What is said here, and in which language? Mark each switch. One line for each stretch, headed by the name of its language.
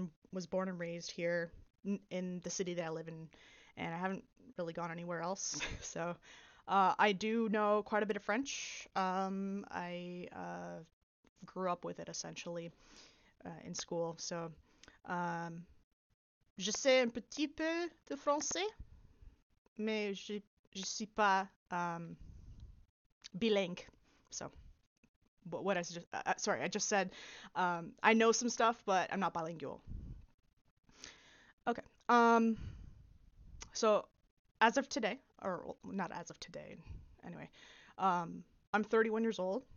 English: Was born and raised here in the city that I live in, and I haven't really gone anywhere else. So, I do know quite a bit of French. I grew up with it essentially in school.
French: So, je sais un petit peu de français, mais je suis pas bilingue.
English: So, what I just sorry, I just said I know some stuff, but I'm not bilingual. Okay. So, as of today, or not as of today, anyway, I'm 31 years old.